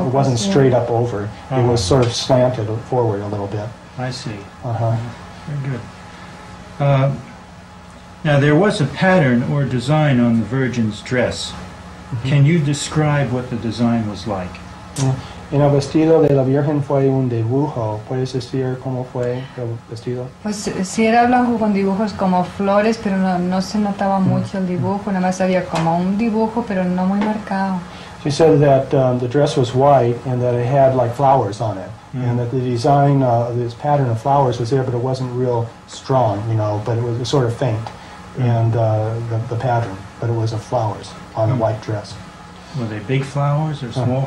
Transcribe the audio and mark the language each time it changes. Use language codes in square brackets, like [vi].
[en] It wasn't straight up over, it was sort of slanted forward a little bit. I see. Very good. Now, there was a pattern or design on the Virgin's dress. Can you describe what the design was like? [es] En el vestido de la Virgen fue un dibujo. ¿Puedes decir cómo fue el vestido? Pues sí, era blanco con dibujos como flores, pero no se notaba mucho el dibujo. Nada más había como un dibujo, pero no muy marcado. [en] She said that the dress was white and that it had like flowers on it. And that the design, this pattern of flowers was there, but it wasn't real strong, you know, but it was sort of faint. And the pattern, but it was of flowers on a white dress. Were they big flowers or small